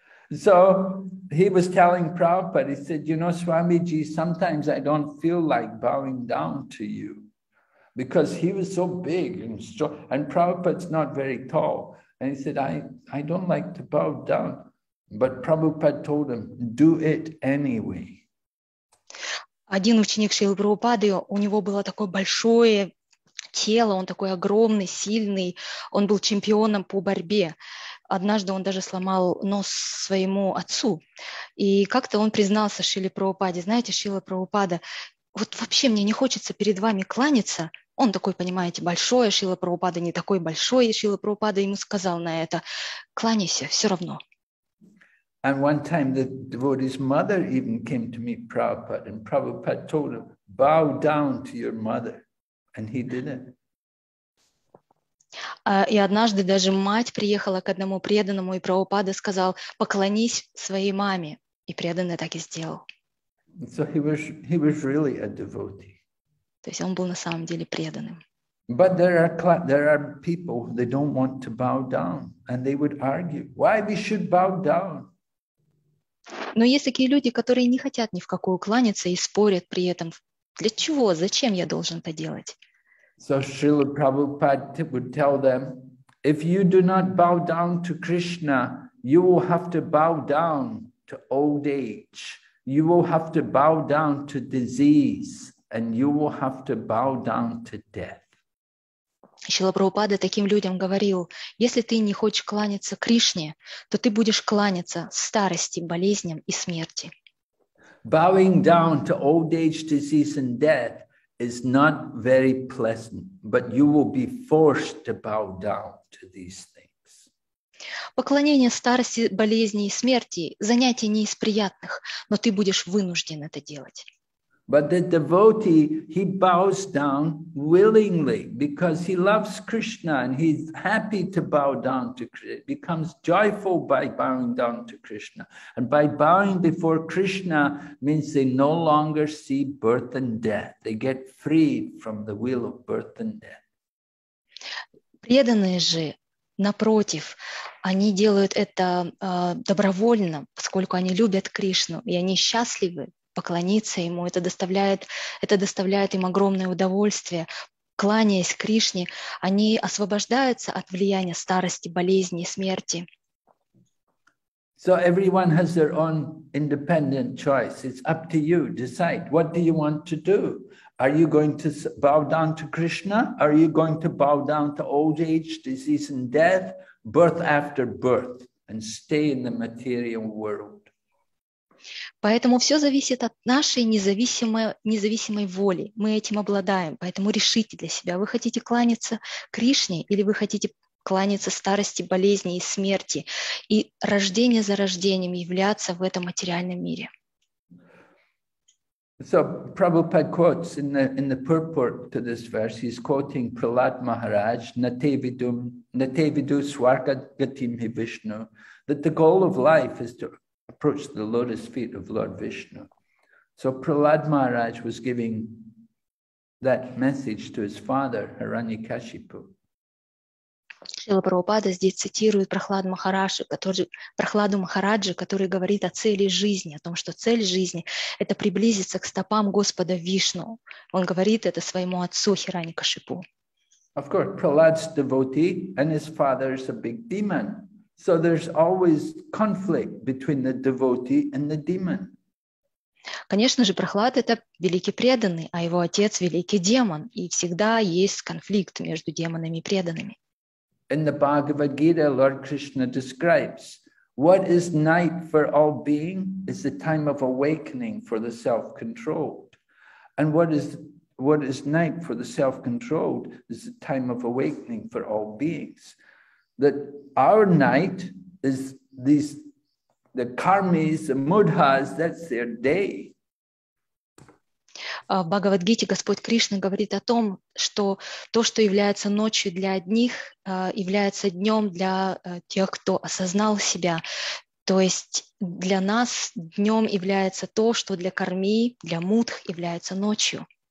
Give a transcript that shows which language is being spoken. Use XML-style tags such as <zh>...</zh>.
<en>So he was telling Prabhupada, he said, you know, Swamiji, sometimes I don't feel like bowing down to you. Because he was so big and strong, and Prabhupada's not very tall. And he said, I don't like to bow down. But Prabhupada told him, do it anyway.</en> <ru>Один ученик Шрилы Прабхупады, у него было такое большое тело, он такой огромный, сильный, он был чемпионом по борьбе. Однажды он даже сломал нос своему отцу. И как-то он признался Шриле Прабхупаде. Знаете, Шрила Прабхупада, вот вообще мне не хочется перед вами кланяться. Он такой, понимаете, большой, Шрила Прабхупада не такой большой. И Шрила Прабхупада ему сказал на это, кланяйся, все равно.</ru> <en>And one time the devotee's mother even came to meet Prabhupada. And Prabhupada told him, bow down to your mother. And he didn't.</en> <ru>И однажды даже мать приехала к одному преданному, и Прабхупада сказал, поклонись своей маме. И преданный так и сделал.</ru> <en>So he was really a devotee.</en> <ru>То есть он был на самом деле преданным.</ru> <en>But there are people, they don't want to bow down. And they would argue, why we should bow down?</en> <ru>Но есть такие люди, которые не хотят ни в какую кланяться и спорят при этом, для чего, зачем я должен это делать?</ru> <en>So Srila Prabhupada would tell them, if you do not bow down to Krishna, you will have to bow down to old age. You will have to bow down to disease. And you will have to bow down to death.</en> <ru>Srila Prabhupada таким людям говорил, если ты не хочешь кланяться Кришне, то ты будешь кланяться старости, болезням и смерти.</ru> <en>Bowing down to old age, disease and death is not very pleasant, but you will be forced to bow down to these things.</en> <ru>Поклонение старости, болезни и смерти – занятие не из приятных, но ты будешь вынужден это делать.</ru> <en>But the devotee, he bows down willingly because he loves Krishna and he's happy to bow down to Krishna. He becomes joyful by bowing down to Krishna. And by bowing before Krishna means they no longer see birth and death. They get freed from the wheel of birth and death.</en> <ru>Преданные же, напротив, они делают это добровольно, поскольку они любят Кришну и они счастливы. Поклониться ему, это доставляет им огромное удовольствие. Кланяясь Кришне, они освобождаются от влияния старости, болезни и смерти.</ru> <en>So everyone has their own independent choice. It's up to you. Decide, what do you want to do? Are you going to bow down to Krishna? Are you going to bow down to old age, disease and death, birth after birth, and stay in the material world?</en> <ru>Поэтому все зависит от нашей независимой воли. Мы этим обладаем, поэтому решите для себя, вы хотите кланяться Кришне или вы хотите кланяться старости, болезни и смерти и рождение за рождением являться в этом материальном мире.</ru> <en>So Prabhupada quotes in the purport to this verse, he's quoting Prahlad Maharaj,</en> <sa>Natevidu Swarga Gatim Hi Vishnu,</sa> <en>that the goal of life is to approach the lotus feet of Lord Vishnu. So Prahlad Maharaj was giving that message to his father, Hiranyakashipu.</en> <ru>Шрила Прабхупада здесь цитирует Прахладу Махараджи, который говорит о цели жизни, о том, что цель жизни – это приблизиться к стопам Господа Вишну. Он говорит это своему отцу Хиранякашипу.</ru> <en>Of course, Prahlad's devotee and his father is a big demon. So there's always conflict between the devotee and the demon.</en> <ru>Конечно же, Прахлад – это великий преданный, а его отец – великий демон. И всегда есть конфликт между демонами и преданными.</ru> <en>In the Bhagavad Gita, Lord Krishna describes what is night for all being is the time of awakening for the self-controlled. And what is night for the self-controlled is the time of awakening for all beings. That our night is the karmis, the mudhas, that's their day.</en> <ru>В Бхагавад-гите Господь Кришна говорит о том, что то, что является ночью для одних, является днем для тех, кто осознал себя. То есть для нас днем является то, что для карми, для мудх является ночью.</ru>